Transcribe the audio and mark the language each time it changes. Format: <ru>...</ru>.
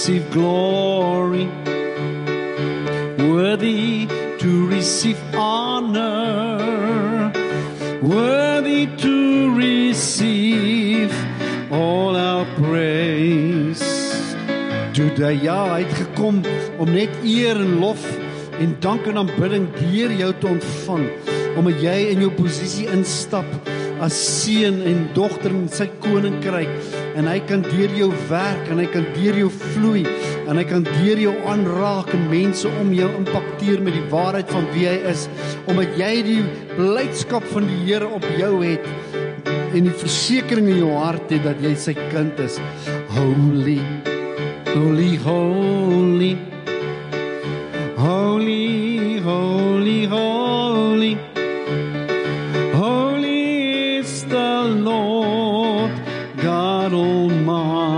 <en>Glory, worthy to receive honor, worthy to receive all our praise.</en> <af>Today, ja, hy het gekom om net eer en lof en dank en aanbidding deur jou te ontvang, omdat jy in jou posisie instap as seun en dogter in sy koninkryk. En hy kan deur jou werk en hy kan deur jou vloei en hy kan deur jou aanraak en mense om jou impakteer met die waarheid van wie hy is, omdat jy die blydskap van die Here op jou het en die versekering in jou hart het dat jy sy kind is.</af> <en>Holy, holy, holy, holy, holy, holy, holy is the Lord God Almighty.</en>